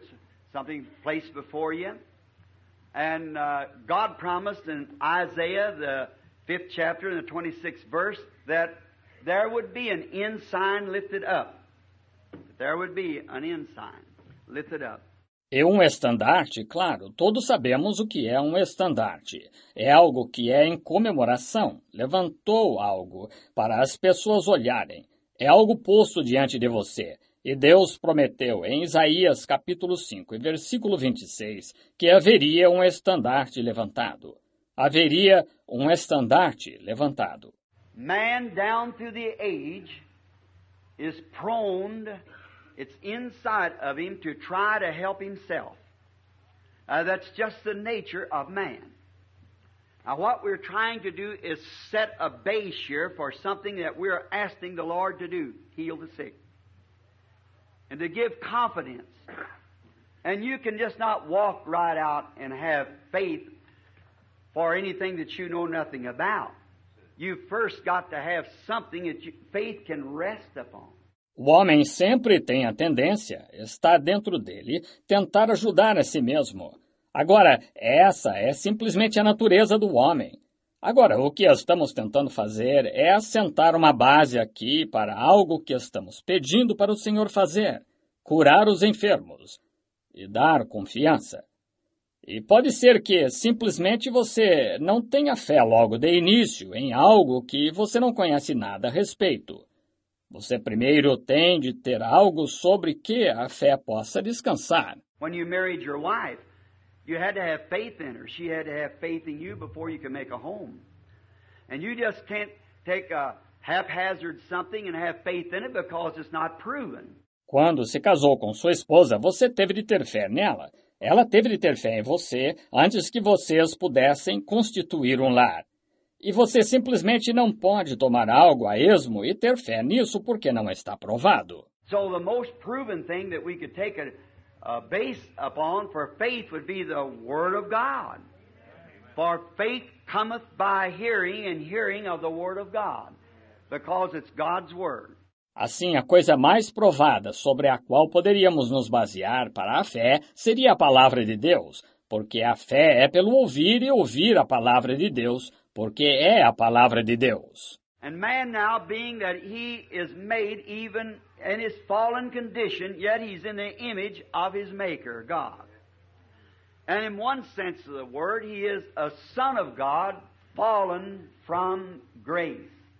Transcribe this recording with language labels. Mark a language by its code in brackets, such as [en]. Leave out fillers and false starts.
[en] It's something placed before you. And God promised in Isaiah, the 5th chapter and the 26th verse, that there would be an ensign lifted up. There would be an ensign lifted up. [pt] E estandarte, claro, todos sabemos o que é estandarte. É algo que é em comemoração, levantou algo para as pessoas olharem. É algo posto diante de você. E Deus prometeu em Isaías capítulo 5, versículo 26, que haveria estandarte levantado. haveria um estandarte levantado. [en] Man down through the age is prone, it's inside of him to try to help himself. That's just the nature of man. Now, what we're trying to do is set a base here for something that we're asking the Lord to do, heal the sick, and to give confidence. And you can just not walk right out and have faith for anything that you know nothing about. You first got to have something that you, faith can rest upon. [pt] O homem sempre tem a tendência, está dentro dele, tentar ajudar a si mesmo. Agora, essa é simplesmente a natureza do homem. Agora, o que estamos tentando fazer é assentar uma base aqui para algo que estamos pedindo para o Senhor fazer, curar os enfermos e dar confiança. E pode ser que simplesmente você não tenha fé logo de início em algo que você não conhece nada a respeito. Você primeiro tem de ter algo sobre que a fé possa descansar. [en] When you married your wife, you had to have faith in her. She had to have faith in you before you could make a home. And you just can't take a haphazard something and have faith in it because it's not proven. [pt] Quando se casou com sua esposa, você teve de ter fé nela. Ela teve de ter fé em você antes que vocês pudessem constituir um lar. E você simplesmente não pode tomar algo a esmo e ter fé nisso porque não está provado. [en] So the most proven thing that we could take a base upon for faith would be the Word of God. For faith cometh by hearing, and hearing of the Word of God, because it's God's Word. [pt] Assim, a coisa mais provada sobre a qual poderíamos nos basear para a fé seria a Palavra de Deus, porque a fé é pelo ouvir e ouvir a Palavra de Deus, porque é a Palavra de Deus. [en] And man now being that he is made even in his fallen condition, yet he's in the image of his Maker, God. And in one sense of the word, he is a son of God fallen from grace.